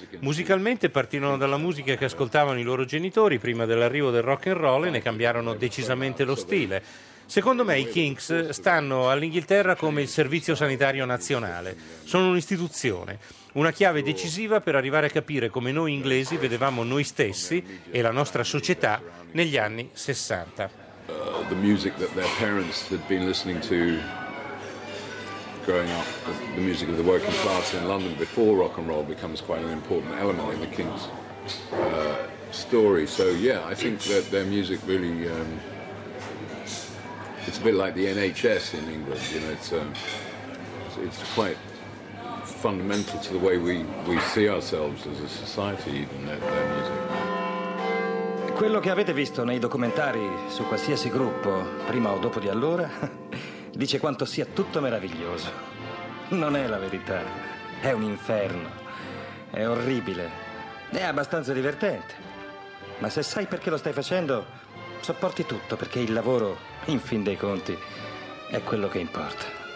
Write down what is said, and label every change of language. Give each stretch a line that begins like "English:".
Italian: Musicalmente partirono dalla musica che ascoltavano i loro genitori prima dell'arrivo del rock and roll e ne cambiarono decisamente lo stile. Secondo me i Kinks stanno all'Inghilterra come il Servizio Sanitario Nazionale. Sono un'istituzione, una chiave decisiva per arrivare a capire come noi inglesi vedevamo noi stessi e la nostra società negli anni 60.
English: The music that their parents had been listening to growing up, the music of the working class in London before rock and roll becomes quite an important element in the Kinks' story. So yeah, I think that their music really, it's a bit like the NHS in England, you know, it's quite fundamental to the way we see ourselves as a society, even their music.
Italian: Quello che avete visto nei documentari su qualsiasi gruppo, prima o dopo di allora, dice quanto sia tutto meraviglioso. Non è la verità, è un inferno, è orribile, è abbastanza divertente. Ma se sai perché lo stai facendo, sopporti tutto, perché il lavoro, in fin dei conti, è quello che importa.